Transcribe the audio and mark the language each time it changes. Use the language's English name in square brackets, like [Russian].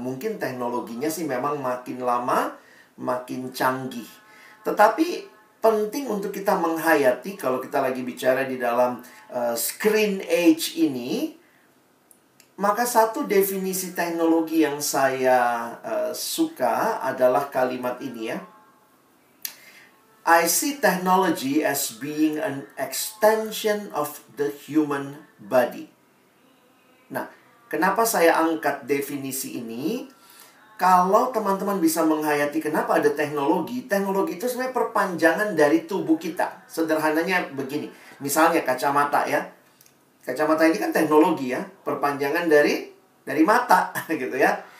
[Indonesian] Mungkin teknologinya sih memang makin lama makin canggih. Tetapi penting untuk kita menghayati, kalau kita lagi bicara di dalam screen age ini, maka satu definisi teknologi yang saya suka adalah kalimat ini ya. [English] I see technology as being an extension of the human body. [Indonesian] Nah, kenapa saya angkat definisi ini? Kalau teman-teman bisa menghayati kenapa ada teknologi, teknologi itu sebenarnya perpanjangan dari tubuh kita. Sederhananya begini, misalnya kacamata ya. Kacamata ini kan teknologi ya, perpanjangan dari mata gitu ya.